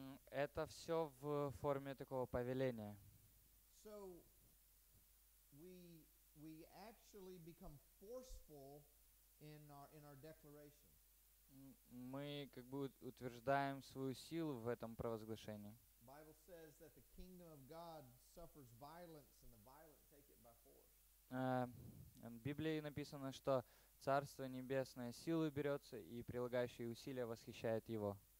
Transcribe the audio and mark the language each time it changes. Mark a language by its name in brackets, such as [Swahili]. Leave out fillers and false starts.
[Russian] Это все в форме такого повеления. [English] So we actually become forceful in our declaration. [Russian] Мы как бы утверждаем свою силу в этом провозглашении. [English] Bible says that the kingdom of God suffers violence and the violent take it by force. [Russian] В Библии написано, что Царство Небесное силой берется, и прилагающие усилия восхищают его.